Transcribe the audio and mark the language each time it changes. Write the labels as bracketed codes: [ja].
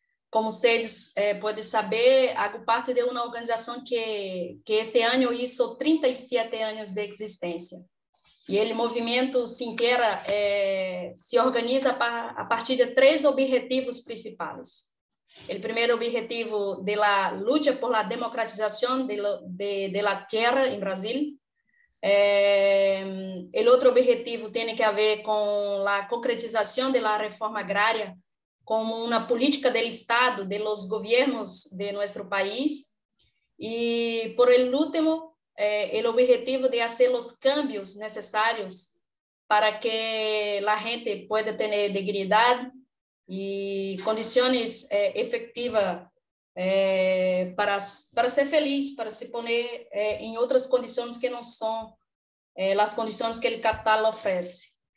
[pt] Como vocês podem saber, [es] hago [pt] parte de uma organização que este ano [es] hizo [pt] 37 anos de existência. E ele movimento Sin Terra se organiza a partir de três objetivos principais. [es] El primer objetivo de la lucha por la democratización de la tierra en Brasil. El otro objetivo tiene que ver con la concretización de la reforma agraria como una política del Estado, de los gobiernos de nuestro país. Y por el último, el objetivo de hacer los cambios necesarios para que la gente pueda tener dignidad [pt] e condições efetivas para ser feliz, [es] para se poner [pt] em outras condições que não são as condições que o capital oferece.